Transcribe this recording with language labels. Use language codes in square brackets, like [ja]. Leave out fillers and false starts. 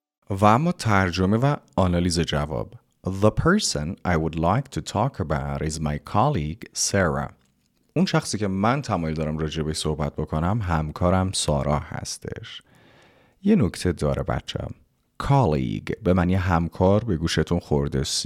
[fa] و اما ترجمه و آنالیز جواب. [en] The person I would like to talk about is my colleague Sarah. [fa] اون شخصی که من تمایل دارم راجبش صحبت بکنم همکارم سارا هستش. یه نکته داره بچه. Colleague به معنی همکار به گوشتون خورده.